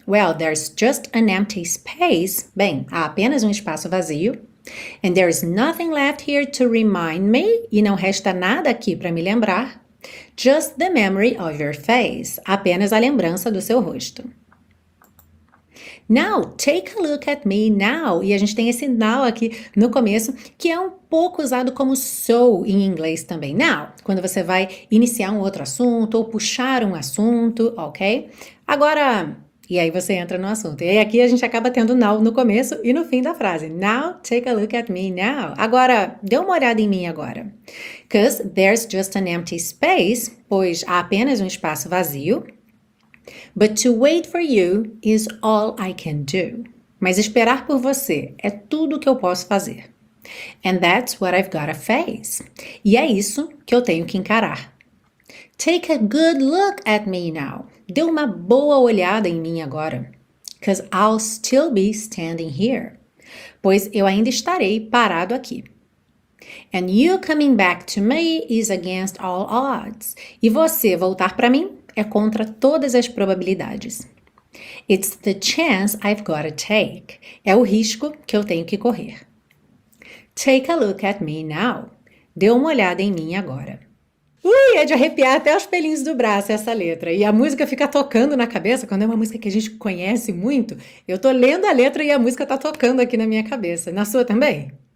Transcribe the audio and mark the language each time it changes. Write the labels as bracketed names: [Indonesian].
[English] Well, there's just an empty space. [Portuguese] Bem, há apenas um espaço vazio. [English] And there's nothing left here to remind me. [Portuguese] E não resta nada aqui para me lembrar. [English] Just the memory of your face. [Portuguese] Apenas a lembrança do seu rosto. [English] Now, take a look at me now. [Portuguese] E a gente tem esse now aqui no começo, que é um pouco usado como so em inglês também. Now, quando você vai iniciar um outro assunto ou puxar um assunto, ok? Agora, e aí você entra no assunto. E aqui a gente acaba tendo now no começo e no fim da frase. [English] Now, take a look at me now. [Portuguese] Agora, dê uma olhada em mim agora. [English] Because there's just an empty space, [Portuguese] pois há apenas um espaço vazio. [English] But to wait for you is all I can do. [Portuguese] Mas esperar por você é tudo que eu posso fazer. [English] And that's what I've gotta face. [Portuguese] E é isso que eu tenho que encarar. [English] Take a good look at me now. [Portuguese] Dê uma boa olhada em mim agora. [English] Cause I'll still be standing here. [Portuguese] Pois eu ainda estarei parado aqui. [English] And you coming back to me is against all odds. [Portuguese] E você voltar para mim é contra todas as probabilidades. [English] It's the chance I've got to take. [Portuguese] É o risco que eu tenho que correr. [English] Take a look at me now. [Portuguese] Dê uma olhada em mim agora. É de arrepiar até os pelinhos do braço essa letra. E a música fica tocando na cabeça, quando é uma música que a gente conhece muito. Eu tô lendo a letra e a música tá tocando aqui na minha cabeça. Na sua também?